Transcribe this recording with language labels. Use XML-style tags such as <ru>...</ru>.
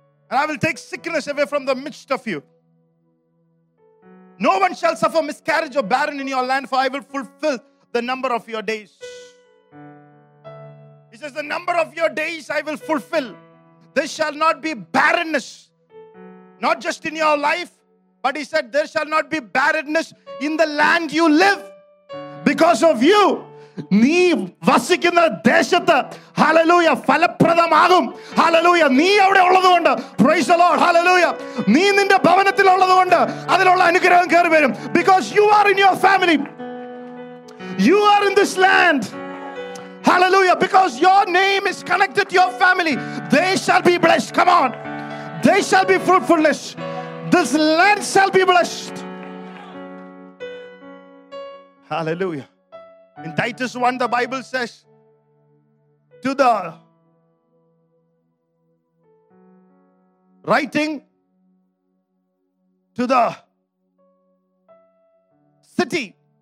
<en>And I will take sickness away from the midst of you. No one shall suffer miscarriage or barren in your land, for I will fulfill the number of your days. He says, the number of your days I will fulfill. There shall not be barrenness, not just in your life, but he said, there shall not be barrenness in the land you live because of you.</en> <ml>നീ വസിക്കുന്ന ദേശത്ത് hallelujah ഫലപ്രദമാകും. Hallelujah നീ അവിടെ ഉള്ളതുകൊണ്ട്,</ml> <en>praise the Lord,</en> <ml>hallelujah നീ നിന്റെ ഭവനത്തിൽ ഉള്ളതുകൊണ്ട് അതിലുള്ള അനുഗ്രഹം കയറി വരും.</ml> <en>Because you are in your family, you are in this land. Hallelujah because your name is connected to your family. They shall be blessed. Come on, they shall be fruitfulness. This land shall be blessed. Hallelujah. In Titus 1, the Bible says, to the writing to the city.</en>